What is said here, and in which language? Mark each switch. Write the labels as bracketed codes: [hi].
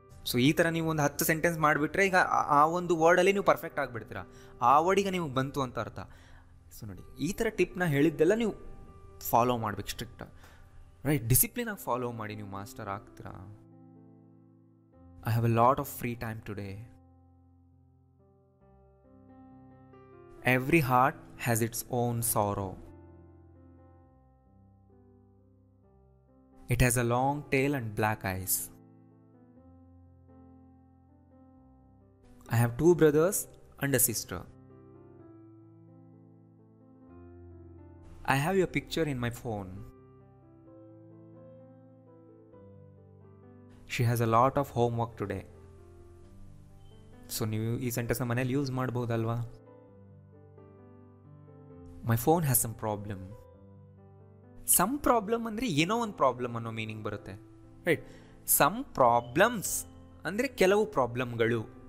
[kn] So ಈ ಥರ ನೀವು ಒಂದು 10 ಸೆಂಟೆನ್ಸ್ ಮಾಡಿಬಿಟ್ರೆ ಈಗ ಆ ಒಂದು ವರ್ಡಲ್ಲಿ ನೀವು ಪರ್ಫೆಕ್ಟ್ ಆಗಿಬಿಡ್ತೀರ, ಆ ವರ್ಡಿಗೆ ನಿಮಗೆ ಬಂತು ಅಂತ ಅರ್ಥ. ಸೊ ನೋಡಿ, ಈ ಥರ ಟಿಪ್ನ ಹೇಳಿದ್ದೆಲ್ಲ ನೀವು ಫಾಲೋ ಮಾಡ್ಬೇಕು ಸ್ಟ್ರಿಕ್ಟ್, ರೈಟ್? ಡಿಸಿಪ್ಲಿನಾಗಿ ಫಾಲೋ ಮಾಡಿ ನೀವು ಮಾಸ್ಟರ್ ಆಗ್ತೀರಾ. [en] I have a lot of free time today. Every heart has its own sorrow. It has a long tail and black eyes. I have two brothers and a sister. I have your picture in my phone. She has a lot of homework today. [kn] So, ನೀವು ಈ sentence ಮನೇಲಿ use ಮಾಡ್ಬೋದಲ್ವಾ? [en] My phone has some problem. [kn] Some problem ಅಂದರೆ ಏನೋ ಒಂದು problem ಅನ್ನೋ meaning ಬರುತ್ತೆ, right? Some problems ಅಂದರೆ ಕೆಲವು ಪ್ರಾಬ್ಲಮ್ಗಳು,